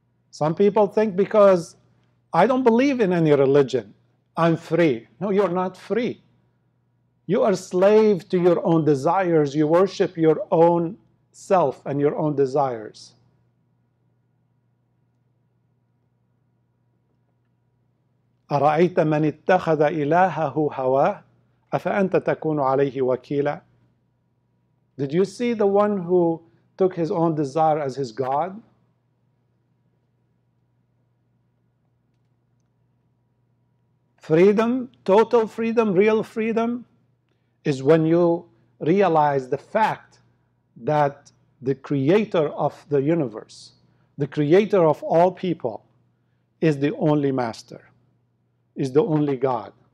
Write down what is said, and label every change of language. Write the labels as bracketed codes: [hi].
[en] Some people think because I don't believe in any religion, I'm free. No, you're not free. You are slave to your own desires. You worship your own self and your own desires. [ar] أرأيت من اتخذ إلهه هواه أفأنت تكون عليه وكيلا. [en] Did you see the one who took his own desire as his God? Freedom, total freedom, real freedom, is when you realize the fact that the creator of the universe, the creator of all people, is the only master, is the only God.